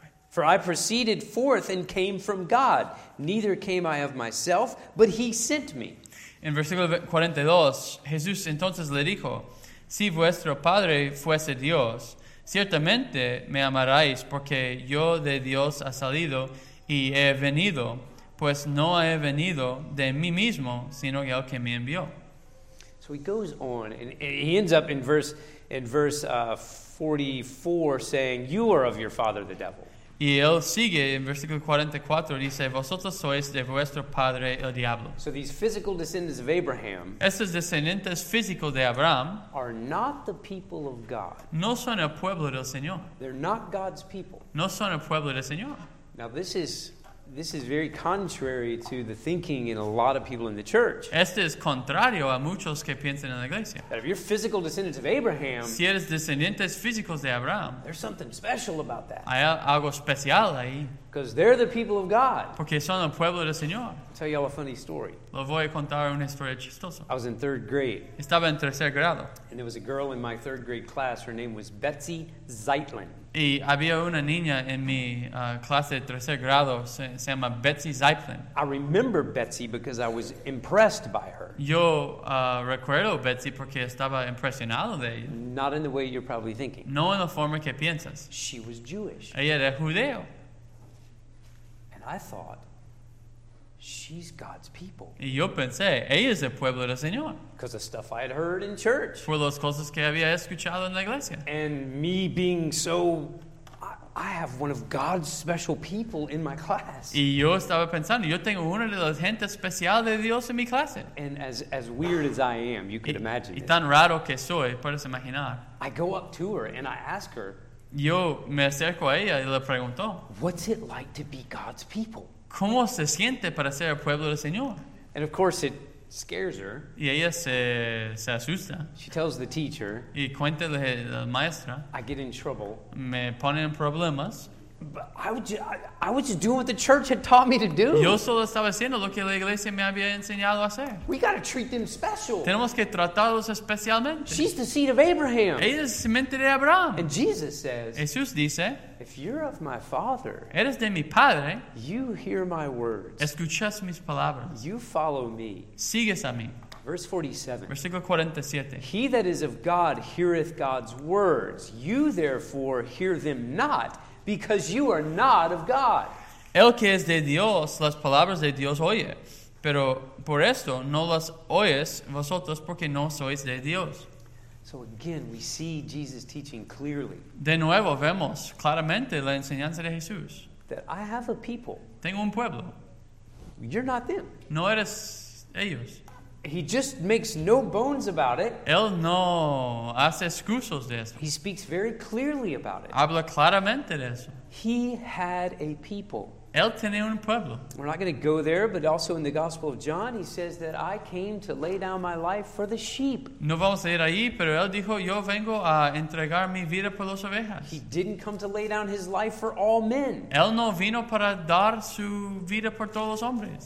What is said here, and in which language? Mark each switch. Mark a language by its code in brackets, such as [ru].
[en] For I proceeded forth and came from God. Neither came I of myself, but he sent me. [es] En versículo 42, Jesús entonces le dijo, si vuestro Padre fuese Dios, ciertamente me amaráis, porque yo de Dios he salido y he venido, pues no he venido de mí mismo, sino el que me envió. [en] So he goes on, and he ends up in verse 44 saying, you are of your father, the devil. [es] Y él sigue en versículo 44, dice, vosotros sois de vuestro padre, el diablo. [en] So these physical descendants of Abraham, [es] estos descendientes físicos de Abraham, [en] are not the people of God. [es] No son el pueblo del Señor. [en] They're not God's people. [es] No son el pueblo del Señor. [en] Now this is very contrary to the thinking in a lot of people in the church. [es] Este es contrario a muchos que piensan en la iglesia. [en] That if you're physical descendants of Abraham, [es] si eres descendientes físicos de Abraham, [en] there's something special about that. [es] Hay algo especial ahí. [en] Because they're the people of God. [es] Porque son el pueblo del Señor. [en] I'll tell you all a funny story. [es] Lo voy a contar una historia chistosa. [en] I was in third grade. [es] Estaba en tercer grado. [en] And there was a girl in my third grade class. Her name was Betsy Zeitlin. [es] Y había una niña en mi clase de tercer grado, se llama Betsy Zeitlin. [en] I remember Betsy because I was impressed by her. [es] Yo recuerdo Betsy porque estaba impresionado de ella. [en] Not in the way you're probably thinking. [es] No en la forma que piensas. [en] She was Jewish. [es] Ella era judeo. [en] And I thought, she's God's people. [es] Y yo pensé, ella es el pueblo del Señor. [en] Because of stuff I had heard in church. [es] Por las cosas que había escuchado en la iglesia. [en] And me being so, I have one of God's special people in my class. [es] Y yo estaba pensando, yo tengo una de las gente especial de Dios en mi clase. [en] And as weird as I am, you could imagine. [es] Y tan raro que soy, puedes imaginar. [en] I go up to her and I ask her. [es] Yo me acerco a ella y le pregunto. [en] What's it like to be God's people? [es] ¿Cómo se siente para ser el pueblo del Señor? [en] And of course it scares her. [es] Y ella se asusta. [en] She tells the teacher. [es] Y cuenta la maestra. [en] I get in trouble. [es] Me pone en problemas. [en] I was just doing what the church had taught me to do. [es] Yo solo estaba haciendo lo que la iglesia me había enseñado a hacer. [en] We gotta treat them special. [es] Tenemos que tratarlos especialmente. [en] She's the seed of Abraham. [es] Ella es simiente de Abraham. [en] And Jesus says. [es] Jesús dice. [en] If you're of my father. [es] Eres de mi padre. [en] You hear my words. [es] Escuchas mis palabras. [en] You follow me. [es] Sigues a mí. [en] Verse 47. [es] Versículo 47. [en] He that is of God heareth God's words. You therefore hear them not. Because you are not of God. [es] El que es de Dios, las palabras de Dios oye. Pero por esto no las oyes vosotros porque no sois de Dios. [en] So again, we see Jesus teaching clearly. [es] De nuevo vemos claramente la enseñanza de Jesús. [en] That I have a people. [es] Tengo un pueblo. [en] You're not them. [es] No eres ellos. [en] He just makes no bones about it. [es] Él no hace excusas de eso. [en] He speaks very clearly about it. [es] Habla claramente de eso. [en] He had a people. [es] Él tenía un pueblo. [en] We're not going to go there, but also in the Gospel of John, he says that I came to lay down my life for the sheep. [es] No vamos a ir ahí, pero él dijo, yo vengo a entregar mi vida por las ovejas. [en] He didn't come to lay down his life for all men. [es] Él no vino para dar su vida por todos los hombres.